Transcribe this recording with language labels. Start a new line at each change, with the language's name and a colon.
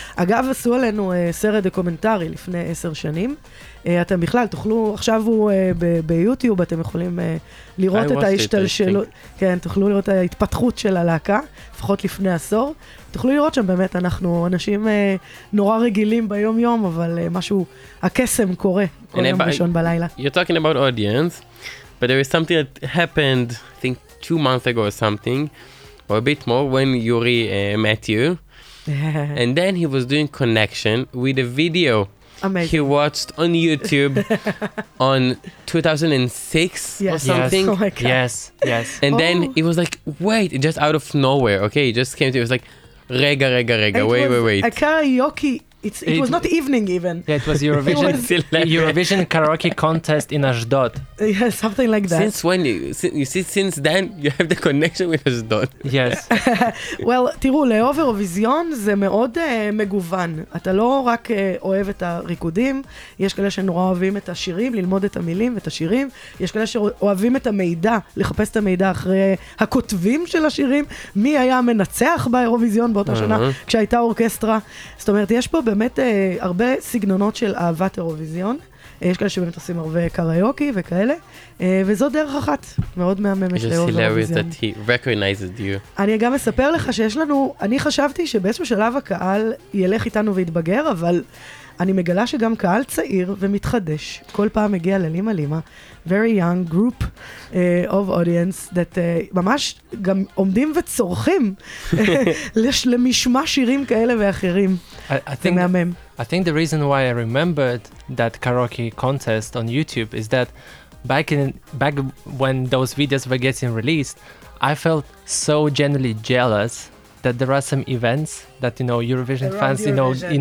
Hebrew: אגב, עשו עלינו סרט דוקומנטרי לפני 10 שנים, אתם בכלל תוכלו, עכשיו הוא ביוטיוב, אתם יכולים לראות את ההשתלשלות, כן, תוכלו לראות את ההתפתחות של הלהקה, לפחות לפני עשור, תוכלו לראות שם באמת, אנחנו אנשים נורא רגילים ביום יום, אבל משהו, הקסם קורה, כל יום ראשון בלילה.
English: You're talking about audience, but there is something that happened, I think 2 months ago or something, or a bit more, when Yuri met you, and then he was doing connection with a video. Amazing. He watched on YouTube on 2006 yes. or something. Yes, oh yes, yes. And oh. then it was like, wait, just out of nowhere, okay? It just came to you. It was like, rega, rega, rega, it wait, was wait, wait. A karaoke. It was not evening even. Yeah, it was Eurovision. It was Eurovision karaoke contest in Ashdod. Yeah, something like that. Since when? Since then, you have the connection with Ashdod. Yes. Well,
Hebrew: תראו, לאהוב אירוויזיון זה מאוד מגוון. אתה לא רק אוהב את הריקודים, יש כאלה שנורא אוהבים את השירים, ללמוד את המילים ואת השירים. יש כאלה שאוהבים את המידע, לחפש את המידע אחרי הכותבים של השירים. מי היה המנצח באירוויזיון באותה שנה כשהייתה אורקסטרה? זאת אומרת, יש פה באמת הרבה סגנונות של אהבת אירוויזיון. יש כאלה שבאמת עושים הרבה קריוקי וכאלה. וזו דרך אחת. מאוד מהממת לאהוב אירוויזיון. אני גם אספר לך שיש לנו, אני חשבתי שבאיזשהו שלב הקהל ילך איתנו והתבגר, אבל אני מגלה שגם קהל צעיר ומתחדש. כל פעם מגיע ללימה לימה.
English: Very young group of audience that
Hebrew: ממש גם עומדים וצורכים למשמע שירים כאלה ואחרים.
English: I think the reason why I remembered that karaoke contest on YouTube is that back when those videos were getting released, I felt so genuinely jealous that there are some events that, you know, Eurovision around fans, Eurovision.